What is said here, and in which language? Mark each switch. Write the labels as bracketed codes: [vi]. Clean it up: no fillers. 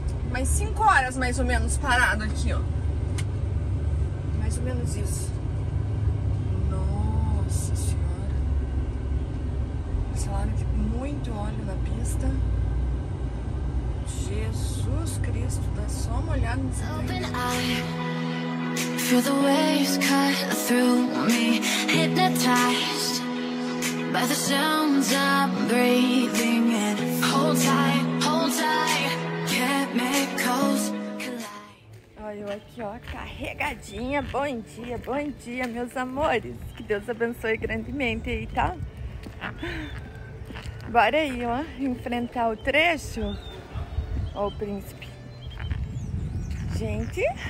[pt] Mais 5 horas, mais ou menos, parado aqui, ó. Mais ou menos isso. Nossa Senhora. Acelaram de muito óleo na pista. Jesus Cristo, dá só uma olhada nesse trem. [en] Feel the waves cut through me, hypnotized by the sounds I'm breathing in. Hold tight, chemicals collide. [pt] Olha eu aqui, ó, carregadinha. Bom dia, meus amores. Que Deus abençoe grandemente aí, tá? Bora aí, ó, enfrentar o trecho. Ó, o príncipe. Gente.